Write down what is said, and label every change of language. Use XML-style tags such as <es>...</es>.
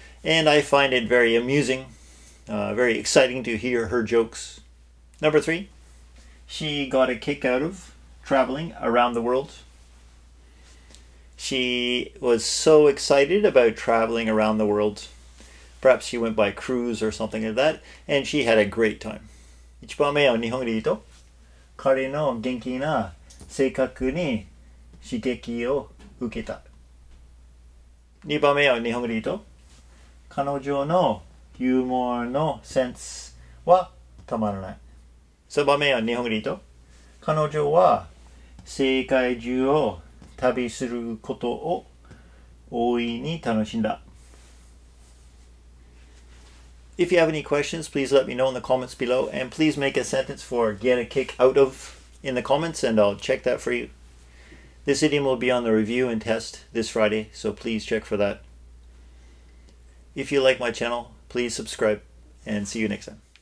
<en>And I find it very amusing, very exciting to hear her jokes. Number three, she got a kick out of traveling around the world. She was so excited about traveling around the world. Perhaps she went by cruise or something like that, and she had a great time.</en> <ja>一番目は日本で言うと、彼の元気な性格に刺激を受けた。二番目は日本で言うと、彼女のユーモアのセンスはたまらない。 3番目は日本語で言うと、彼女は世界中を旅することを大いに楽しんだ。</ja> <en>If you have any questions, please let me know in the comments below, and please make a sentence for get a kick out of in the comments, and I'll check that for you. This idiom will be on the review and test this Friday, so please check for that. If you like my channel, please subscribe and see you next time.</en>